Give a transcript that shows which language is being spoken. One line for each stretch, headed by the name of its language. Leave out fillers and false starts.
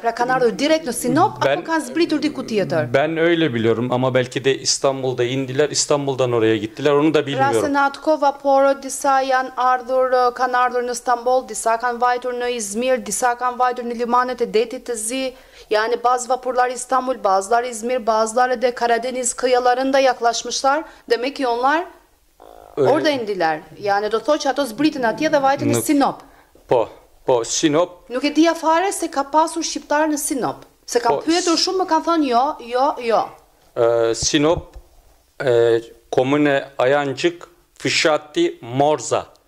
Albanian: Pra kanë ardhur direkt në Sinop apo kanë zbritur diku tjetër?
Turkish: Ben öyle biliyorum ama belki de İstanbul'da indiler, İstanbul'dan oraya gittiler. Onu da bilmiyorum.
Albanian: Pra se në atko vaporo disa janë ardhur, kanë ardhur në Istanbul, disa kanë vajtur në Izmir, disa kanë vajtur në limanet e detit të zi.
Turkish: Yani bazı vapurlar İstanbul, bazıları İzmir, bazıları da Karadeniz kıyılarında yaklaşmışlar. Demek ki onlar öyle. Orada indiler.
Albanian: Yani do thotë që ato zbritën atje dhe vajtën në Sinop. Po, Sinop. Nuk e dija fare se ka pasur shqiptar në Sinop. Se kam pyetur shumë, më kanë thënë jo. Sinop, komune Ayancık, fshati Morza.